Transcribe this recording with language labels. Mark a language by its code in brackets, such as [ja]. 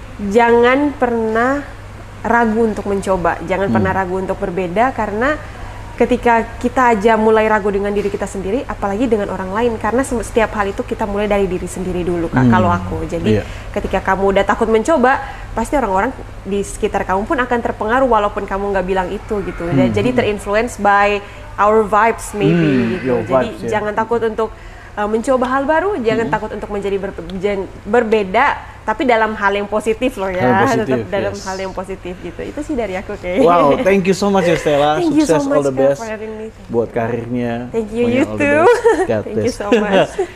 [id] Jangan pernah ragu untuk mencoba, jangan pernah ragu untuk berbeda, karena ketika kita aja mulai ragu dengan diri kita sendiri, apalagi dengan orang lain, karena setiap hal itu kita mulai dari diri sendiri dulu, Kak, kalau aku. Jadi ketika kamu udah takut mencoba, pasti orang-orang di sekitar kamu pun akan terpengaruh walaupun kamu nggak bilang itu gitu. Jadi terinfluence [en] by our vibes maybe. [id] Gitu. Jadi [en] vibes, [id] jangan takut untuk mencoba hal baru, jangan takut untuk menjadi berbeda, tapi dalam hal yang positif loh ya, positif, tetap dalam hal yang positif gitu. Itu sih dari aku, Kay. [en] Wow, thank you so much ya Stella, [id] sukses, [en] so all the best [id] buat karirnya. [en] Thank you YouTube. Thank you so much.